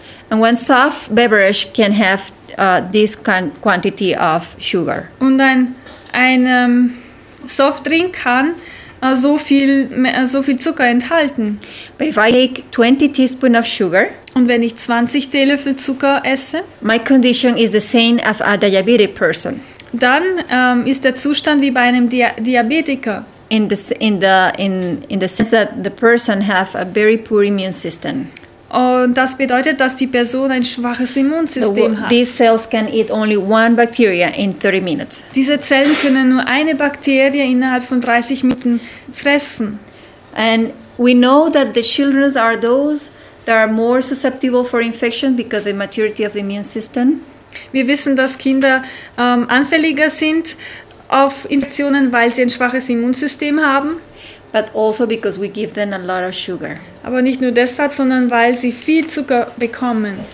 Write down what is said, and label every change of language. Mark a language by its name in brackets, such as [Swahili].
[English] And one soft beverage can have this quantity of sugar. [German] Und ein Softdrink kann so viel Zucker enthalten. [English] But if I take 20 teaspoons of sugar, [German] und wenn ich 20 Teelöffel Zucker esse, [English] my condition is the same as a diabetic person. [German] Dann ist der Zustand wie bei einem Diabetiker. [English] In the sense that the person have a very poor immune system. [German] Und das bedeutet, dass die Person ein schwaches Immunsystem hat. [English] These cells can eat only one bacteria in 30 minutes. [German] Diese Zellen können nur eine Bakterie innerhalb von 30 Minuten fressen. [English] And we know that the children are those that are more susceptible for infection because of the maturity of the immune system. [German] Wir wissen, dass Kinder anfälliger sind auf Infektionen, weil sie ein schwaches Immunsystem haben. [English] But also because we give them a lot of sugar. [German] Aber nicht nur deshalb, sondern weil sie viel Zucker bekommen.